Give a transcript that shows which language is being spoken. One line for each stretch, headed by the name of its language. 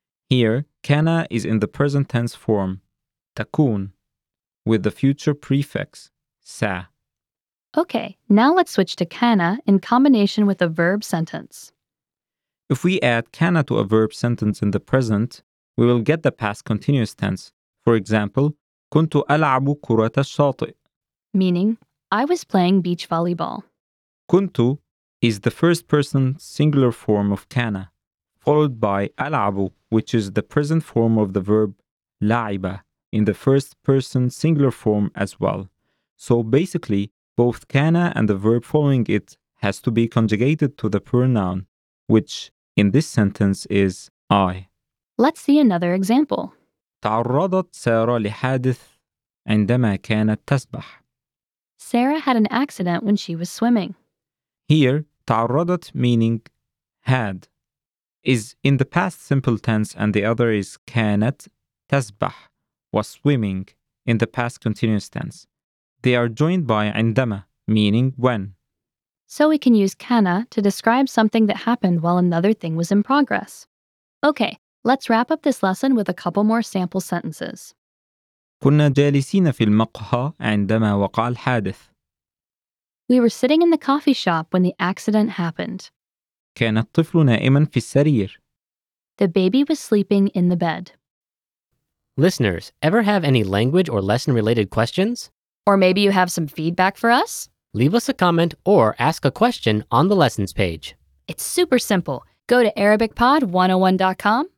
English: Here, كان is in the present tense form, تكون, with the future prefix, سا. Okay, now let's switch to كان in combination with a verb sentence. If we add كان to a verb sentence in the present, we will get the past continuous tense. For example,
Arabic: كنت ألعب كرة الشاطئ.
English: Meaning, I was playing beach volleyball. كنت is the first person singular form of كان, followed by ألعب, which is the present form of the verb لعب in the first person singular form as well. So basically, both كان and the verb following it has to be conjugated to the pronoun, which in this sentence is I. Let's see another example.
Arabic: تعرضت سارة لحادث عندما كانت تسبح.
English: Sarah had an accident when she was swimming. Here, تعرضت meaning had is in the past simple tense and the other is كانت تسبح, was swimming, in the past continuous tense. They are joined by عندما, meaning when. So we can use كان to describe something that happened while another thing was in progress. Okay, let's wrap up this lesson with a couple more sample sentences.
Arabic: كنا جالسين في المقهى عندما وقع الحادث.
English: We were sitting in the coffee shop when the accident happened.
Arabic: كان الطفل نائما في السرير.
English: The baby was sleeping in the bed. Listeners, ever have any language or lesson-related questions? Or maybe you have some feedback for us? Leave us a comment or ask a question on the lessons page. It's super simple. Go to ArabicPod101.com.